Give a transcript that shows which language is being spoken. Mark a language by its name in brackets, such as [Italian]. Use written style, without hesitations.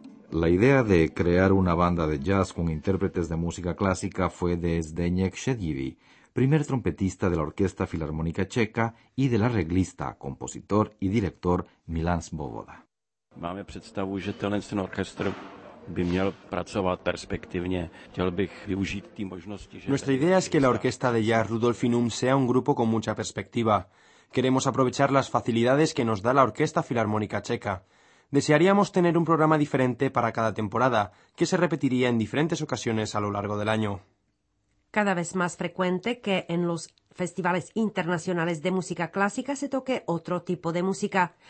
[Spanish] La idea de crear una banda de jazz con intérpretes de música clásica fue de Zdeněk Šedivý, primer trompetista de la Orquesta Filarmónica Checa y del arreglista, compositor y director Milan Svoboda. [Czech] Máme představu, že tenhle ten orchestr by měl pracovat perspektivně. Chtěl bych využít ty možnosti, že [Spanish] Nuestra idea es que la orquesta de jazz Rudolfinum sea un grupo con mucha perspectiva. Queremos aprovechar las facilidades que nos da la Orquesta Filarmónica Checa. Desearíamos tener un programa diferente para cada temporada, que se repetiría en diferentes ocasiones a lo largo del año. Cada vez más frecuente que en los festivales internacionales de música clásica se toque otro tipo de música.